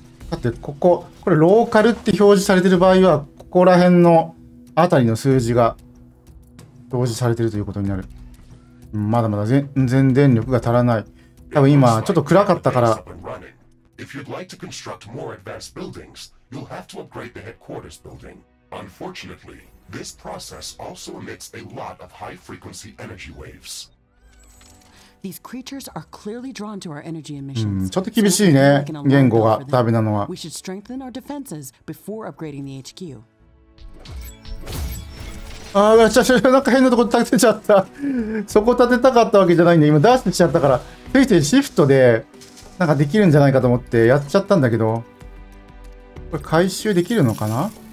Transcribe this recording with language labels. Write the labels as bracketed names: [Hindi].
[Japanese] だってこれローカルって表示されてる場合はここら辺のあたりの数字が表示されてるということになる。まだまだ全然電力が足らない。多分今ちょっと暗かったから。 [English] If you'd like to construct more advanced buildings, you'll have to upgrade the headquarters building. Unfortunately, this process also emits a lot of high frequency energy waves. These creatures are clearly drawn to our energy emissions. [Japanese] ちょっと厳しいね、言語がダメなのは。 [English] We should strengthen our defenses before upgrading the HQ. [Japanese] ああ、めっちゃなんか変なとこ立てちゃった。そこ立てたかったわけじゃないんで、今出してきちゃったから、ついついシフトで。なんかできるんじゃないかと思ってやっちゃったんだけど、これ回収できるのかな。